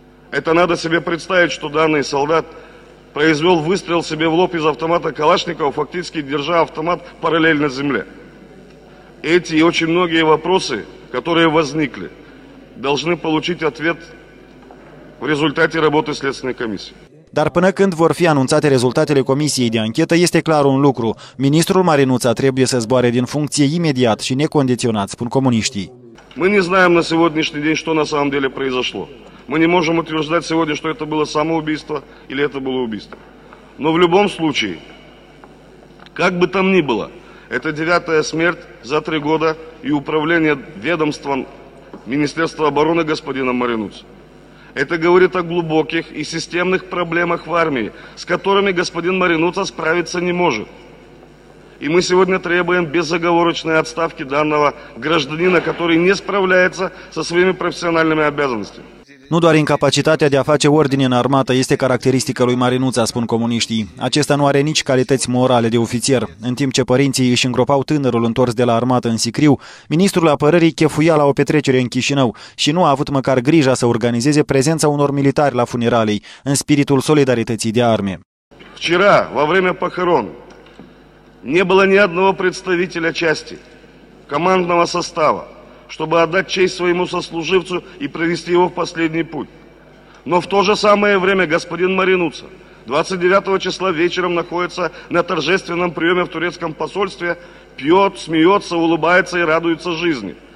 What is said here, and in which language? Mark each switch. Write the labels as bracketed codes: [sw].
[ru] Это надо себе представить, что данный солдат произвел выстрел себе в лоб из автомата Калашникова, фактически держа автомат параллельно земле. Эти и очень многие вопросы, которые возникли, должны получить ответ в результате работы Следственной комиссии. [ro] Dar până când vor fi anunțate rezultatele comisiei de anchetă, este clar un lucru. Ministrul Marinuța trebuie să zboare din funcție imediat și necondiționat, spun comuniștii. [ru] Мы не знаем на сегодняшний день, что на самом деле произошло. Мы не можем утверждать сегодня, что это было самоубийство или это было убийство. Но в любом случае, как бы там ни было, это девятая смерть за три года и управление ведомством Министерства обороны господина Маринуц. Это говорит о глубоких и системных проблемах в армии, с которыми господин Маринуц справиться не может. И мы сегодня требуем безоговорочной отставки данного гражданина, который не справляется со своими профессиональными обязанностями. [ro] Nu doar incapacitatea de a face ordine în armată este caracteristică lui Marinuța, spun comuniștii. Acesta nu are nici calități morale de ofițier. În timp ce părinții își îngropau tânărul întors de la armată în Sicriu, ministrul apărării chefuia la o petrecere în Chișinău și nu a avut măcar grija să organizeze prezența unor militari la funeralei, în spiritul solidarității de arme. [ru] Вчера, во время похорон, не было ни одного представителя части, командного состава, чтобы отдать честь своему сослуживцу и провести его в последний путь. Но в то же самое время господин Маринуца 29 числа вечером находится на торжественном приеме в турецком посольстве, пьет, смеется, улыбается и радуется жизни.